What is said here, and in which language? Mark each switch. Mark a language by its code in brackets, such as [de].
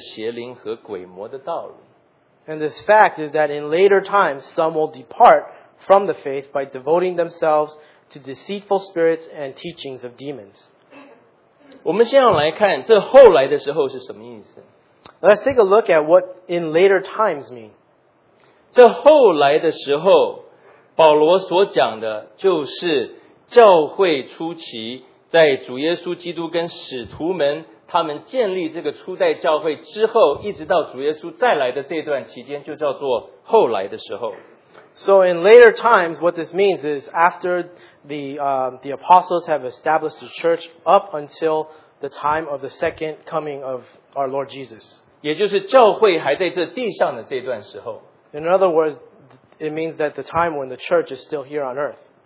[zh] 就是在后来的时候，必有人离弃真道，听从那引诱人的邪灵和鬼魔的道理。 [en] And this fact is that in later times, some will depart from the faith by devoting themselves to deceitful spirits and teachings of demons. [zh] 我们先要来看这后来的时候是什么意思。 [en] Let's take a look at what in later times mean. [zh] 这后来的时候，保罗所讲的就是教会初期在主耶稣基督跟使徒们他们建立这个初代教会之后，一直到主耶稣再来的这段期间，就叫做后来的时候。 [en] So in later times, what this means is after the apostles have established the church up until the time of the second coming of our Lord Jesus. [zh] 也就是教会还在这地上的这段时候。 [en] In other words, it means that the time when the church is still here on earth.